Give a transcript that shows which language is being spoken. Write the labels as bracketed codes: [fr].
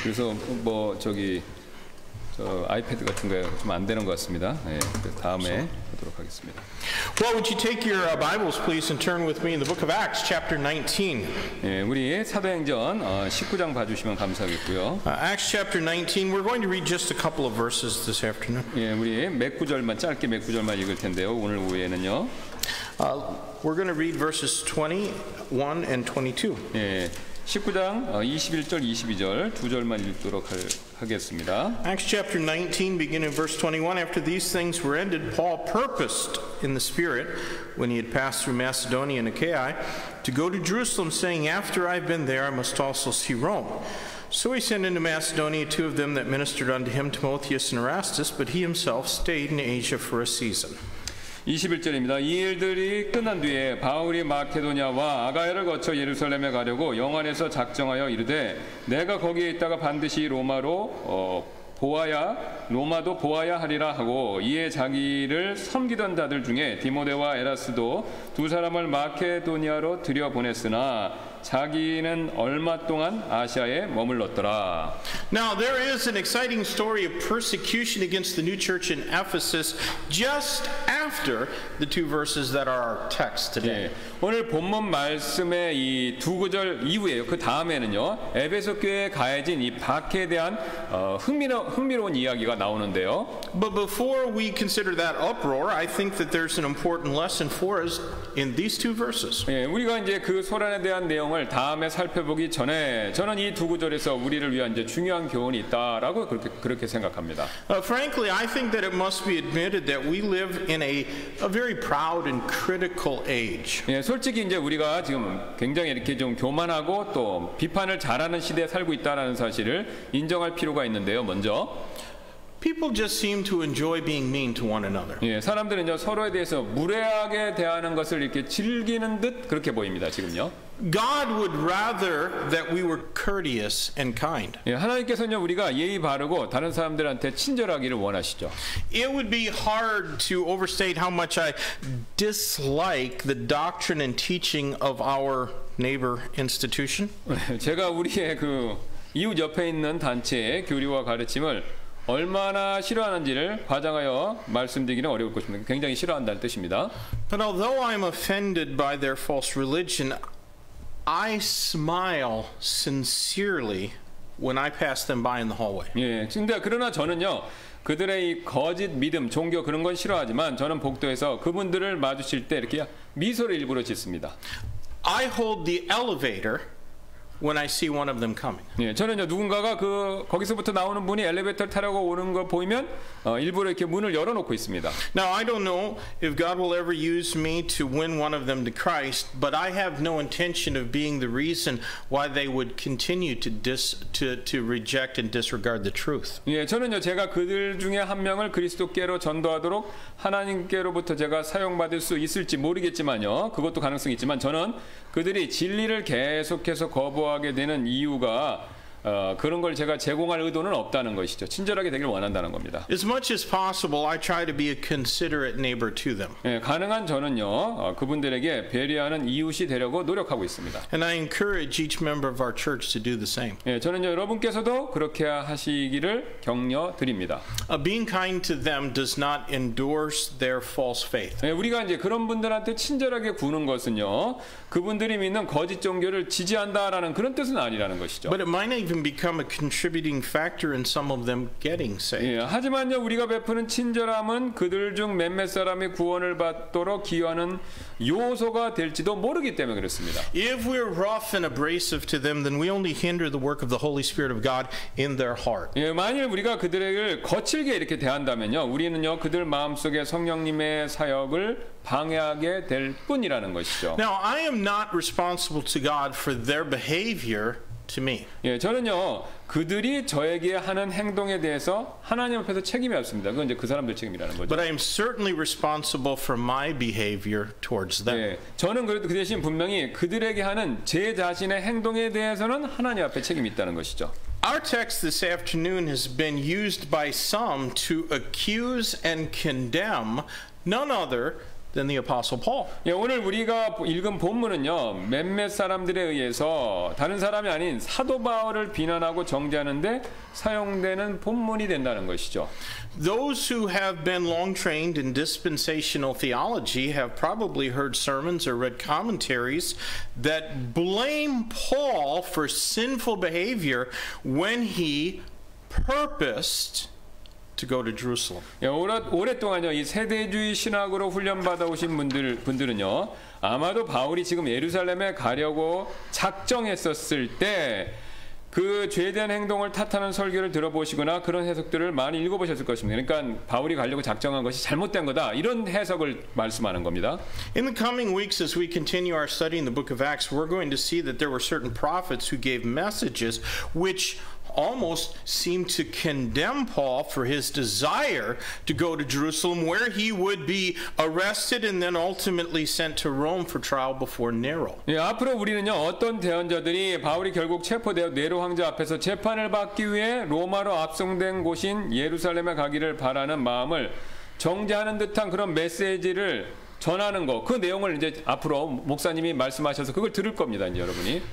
[ko] 그래서 뭐 저기 저 아이패드 같은 거 좀 안 되는 것 같습니다. 네, 다음에 하도록 하겠습니다. [en] Well, would you take your Bibles, please, and turn with me in the book of Acts, chapter 19. [ko] 예, 우리 사도행전 19장 봐주시면 감사하겠고요. [en] Acts chapter 19, we're going to read just a couple of verses this afternoon. [ko] 예, 우리 몇 구절만 짧게 몇 구절만 읽을 텐데요. 오늘 오후에는요. [en] We're going to read verses 21 and 22. [ko] 예, 19장 21절, 22절 두 절만 읽도록 하겠습니다. [en] Acts chapter 19, beginning verse 21. After these things were ended, Paul purposed in the Spirit, when he had passed through Macedonia and Achaia, to go to Jerusalem, saying, After I've been there, I must also see Rome. So he sent into Macedonia two of them that ministered unto him, Timotheus and Erastus, but he himself stayed in Asia for a season. [ko] 21절입니다. 이 일들이 끝난 뒤에 바울이 마케도니아와 아가야를 거쳐 예루살렘에 가려고 영안에서 작정하여 이르되 내가 거기에 있다가 반드시 로마로 보아야 로마도 보아야 하리라 하고 이에 자기를 섬기던 자들 중에 디모데와 에라스도 두 사람을 마케도니아로 들여보냈으나 자기는 얼마 동안 아시아에 머물렀더라. [en] Now there is an exciting story of persecution against the new church in Ephesus just after the two verses that are our text today. [ko] 네, 오늘 본문 말씀의 이 두 구절 이후에요. 그 다음에는요. 에베소 교회에 가해진 이 박해에 대한 흥미로운 이야기가 나오는데요. [en] But before we consider that uproar, I think that there's an important lesson for us in these two verses. [ko] 예, 우리가 이제 그 소란에 대한 내용을 다음에 살펴보기 전에 저는 이 두 구절에서 우리를 위한 이제 중요한 교훈이 있다라고 그렇게 생각합니다. [en] Frankly, I think that it must be admitted that we live in a very proud and critical age. [ko] 예, 솔직히 이제 우리가 지금 굉장히 이렇게 좀 교만하고 또 비판을 잘하는 시대에 살고 있다라는 사실을 인정할 필요가 있는데요. 먼저 [en] People just seem to enjoy being mean to one another. [ko] 예, 사람들은요 서로에 대해서 무례하게 대하는 것을 이렇게 즐기는 듯 그렇게 보입니다 지금요. [en] God would rather that we were courteous and kind. [ko] 예, 하나님께서는요 우리가 예의 바르고 다른 사람들한테 친절하기를 원하시죠. [en] It would be hard to overstate how much I dislike the doctrine and teaching of our neighbor institution. [ko] 제가 우리의 그 이웃 옆에 있는 단체의 교리와 가르침을 얼마나 싫어하는지를 과장하여 말씀드리기는 어려울 것입니다. 굉장히 싫어한다는 뜻입니다. [en] But although I'm offended by their false religion, I smile sincerely when I pass them by in the hallway. [ko] 예, 근데 그러나 저는요 그들의 이 거짓 믿음, 종교 그런 건 싫어하지만 저는 복도에서 그분들을 마주칠 때 이렇게 미소를 일부러 짓습니다. [en] I hold the elevator. When I see one of them coming. [ko] 예, 저는요 누군가가 그 거기서부터 나오는 분이 엘리베이터를 타려고 오는 걸 보이면 일부러 이렇게 문을 열어놓고 있습니다. [en] Now I don't know if God will ever use me to win one of them to Christ, but I have no intention of being the reason why they would continue to reject and disregard the truth. [ko] 예, 저는요 제가 그들 중에 한 명을 그리스도께로 전도하도록 하나님께로부터 제가 사용받을 수 있을지 모르겠지만요 그것도 가능성이 있지만 저는 그들이 진리를 계속해서 거부하게 되는 이유가 그런 걸 제가 제공할 의도는 없다는 것이죠. 친절하게 되길 원한다는 겁니다. [en] As much as possible, I try to be a considerate neighbor to them. [ko] 예, 가능한 저는요, 그분들에게 배려하는 이웃이 되려고 노력하고 있습니다. [en] And I encourage each member of our church to do the same. [ko] 예, 저는요, 여러분께서도 그렇게 하시기를 격려 드립니다. [en] Being kind to them does not endorse their false faith. [ko] 예, 우리가 이제 그런 분들한테 친절하게 구는 것은요, 그분들이 믿는 거짓 종교를 지지한다라는 그런 뜻은 아니라는 것이죠. [en] But it might even become a contributing factor in some of them getting saved. [ko] 예, 하지만요 우리가 베푸는 친절함은 그들 중 몇몇 사람이 구원을 받도록 기여하는 요소가 될지도 모르기 때문에 그렇습니다. [en] If we're rough and abrasive to them, then we only hinder the work of the Holy Spirit of God in their heart. [ko] 예, 만일 우리가 그들을 거칠게 이렇게 대한다면요, 우리는요 그들 마음 속에 성령님의 사역을 방해하게 될 뿐이라는 것이죠. [en] Now I am not responsible to God for their behavior. To me. [ko] 예, 저는요 그들이 저에게 하는 행동에 대해서 하나님 앞에서 책임이 없습니다. 그건 이제 그 사람들 책임이라는 거죠. [en] But I am certainly responsible for my behavior towards them. [ko] 예, 저는 그래도 그 대신 분명히 그들에게 하는 제 자신의 행동에 대해서는 하나님 앞에 책임이 있다는 것이죠. [en] Our text this afternoon has been used by some to accuse and condemn none other. Than the Apostle Paul. [ko] 예, 오늘 우리가 읽은 본문은요 몇몇 사람들에 의해서 다른 사람이 아닌 사도 바울을 비난하고 정죄하는데 사용되는 본문이 된다는 것이죠. [en] Those who have been long trained in dispensational theology have probably heard sermons or read commentaries that blame Paul for sinful behavior when he purposed. To go to Jerusalem. [ko] 예, 오랫동안요 이 세대주의 신학으로 훈련받아 오신 분들은요 아마도 바울이 지금 예루살렘에 가려고 작정했었을 때 그 죄된 행동을 탓하는 설교를 들어보시거나 그런 해석들을 많이 읽어보셨을 것입니다. 그러니까 바울이 가려고 작정한 것이 잘못된 거다 이런 해석을 말씀하는 겁니다. [en] In the coming weeks, as we continue our study in the Book of Acts, we're going to see that there were certain prophets who gave messages which almost seemed to condemn Paul for his desire to go to Jerusalem where he would be arrested and then ultimately sent to Rome for trial before Nero. [ko] 예, 앞으로 우리는요 어떤 대언자들이 바울이 결국 체포되어 네로 황제 앞에서 재판을 받기 위해 로마로 압송된 곳인 예루살렘에 가기를 바라는 마음을 정죄하는 듯한 그런 메시지를 전하는 거 그 내용을 이제 앞으로 목사님이 말씀하셔서 그걸 들을 겁니다, 이제 여러분이.